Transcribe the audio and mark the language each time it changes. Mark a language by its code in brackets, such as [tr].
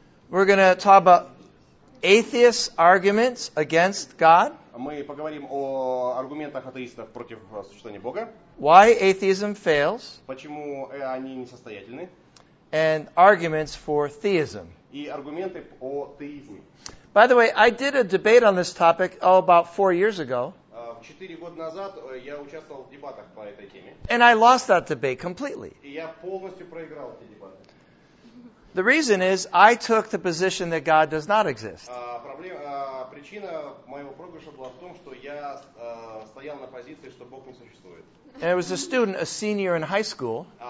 [en] We're going to talk about atheist arguments against God. [ru] Мы поговорим о аргументах атеистов против существования Бога. [en] Why atheism fails. [ru] Почему они несостоятельны. [en] And arguments for theism. [ru] И аргументы о теизме. [en] By the way, I did a debate on this topic about 4 years ago. [ru] 4 года назад я участвовал в дебатах по этой теме. [en] And I lost that debate completely. [ru] И я полностью проиграл эти дебаты. [en] The reason is I took the position that God does not exist. [ru] Причина моего проигрыша была в том, что я стоял на позиции, что Бог не существует. [en] And it was a student, a senior in high school.